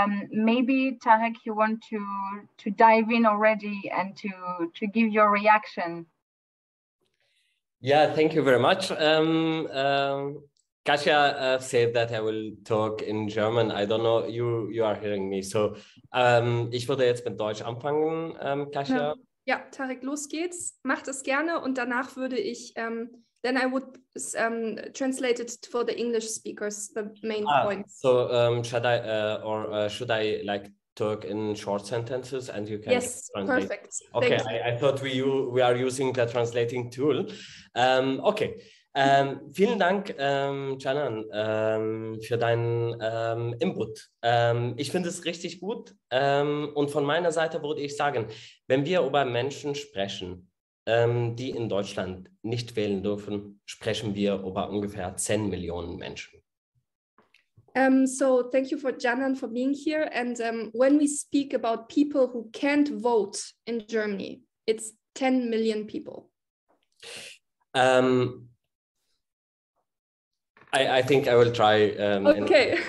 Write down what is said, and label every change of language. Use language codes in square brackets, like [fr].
[en] Maybe Tareq, you want to dive in already and to give your reaction. Yeah, thank you very much. Kasia said that I will talk in German. I don't know, you are hearing me. [de] So ich würde jetzt mit Deutsch anfangen, Kasia. Ja. Ja, Tareq, los geht's. Mach das gerne und danach würde ich, then I would translate it for the English speakers, the main points. [en] So should I like talk in short sentences and you can yes, translate? Yes, perfect. Okay, I thought we are using the translating tool. [de] Okay. Vielen Dank, Canan, für deinen Input. Ich finde es richtig gut und von meiner Seite würde ich sagen, wenn wir über Menschen sprechen, die in Deutschland nicht wählen dürfen, sprechen wir über ungefähr 10 Millionen Menschen. [en] So thank you for Canan for being here. And when we speak about people who can't vote in Germany, it's 10 million people. I think I will try. Okay.